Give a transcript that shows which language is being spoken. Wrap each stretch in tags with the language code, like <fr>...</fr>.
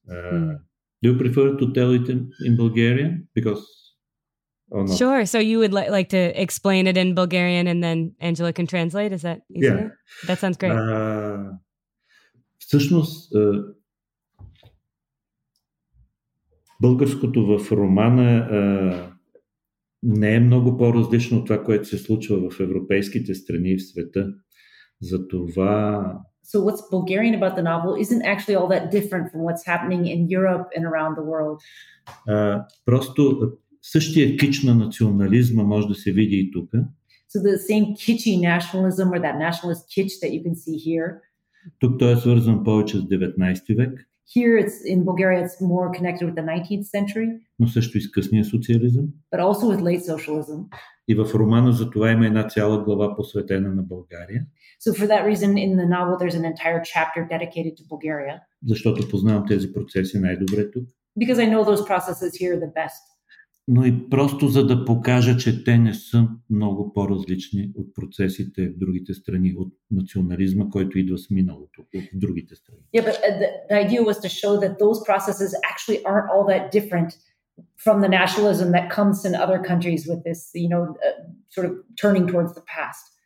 <en>Do you prefer to tell it in Bulgarian? Because... Oh, no. Sure. So you would like to explain it in Bulgarian and then Angela can translate? Is that easier? Yeah. That sounds great.</en> <bg>Всъщност, българското в романа не е много по-различно от това, което се случва в европейските страни и в света. Затова...</bg> <en>So what's Bulgarian about the novel isn't actually all that different from what's happening in Europe and around the world.</en> <bg>Просто... Същия кич на национализма може да се види и тук.</bg> <en>So the same kitschy nationalism or that nationalist kitsch that you can see here.</en> <bg>Тук той е свързан повече с 19 век.</bg> <en>Here it's in Bulgaria it's more connected with the 19th century.</en> <bg>Но също и с късния социализъм.</bg> <en>But also with late socialism.</en> <bg>И в романа за това има една цяла глава посветена на България.</bg> <en>So for that reason in the novel there's an entire chapter dedicated to Bulgaria.</en> <bg>Защото познавам тези процеси най-добре тук.</bg> <en>Because I know those processes here the best.</en> <bg>Но и просто за да покажа, че те не са много по-различни от процесите в другите страни, от национализма, който идва с миналото, от другите страни.</bg> <en>Yeah, but the idea was to show that those processes actually aren't all that different from the nationalism that comes in other countries with this, you know, sort of turning towards the past.</en>